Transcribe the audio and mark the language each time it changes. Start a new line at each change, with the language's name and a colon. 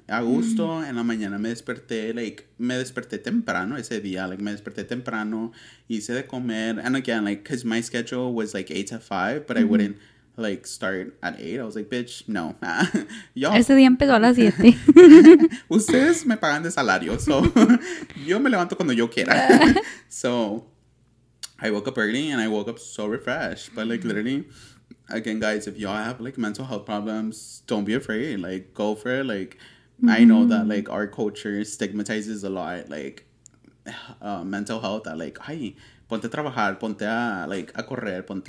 Spanish: A gusto, en la mañana me desperté temprano ese día. Like, me desperté temprano, hice de comer.
English: And again, like, because my schedule was, like, 8 to 5, but I wouldn't, like, start at 8. I was like, bitch, no.
Spanish: Ese día empezó a las 7. Ustedes me pagan de salario, so yo me levanto cuando yo quiera.
English: So, I woke up early, and I woke up so refreshed. But, like, literally, again, guys, if y'all have, like, mental health problems, don't be afraid. Like, go for it. Like, I know that, like, our culture stigmatizes a lot, like, mental health.
Spanish: That, like, ay, ponte a trabajar, ponte a, like, a correr, ponte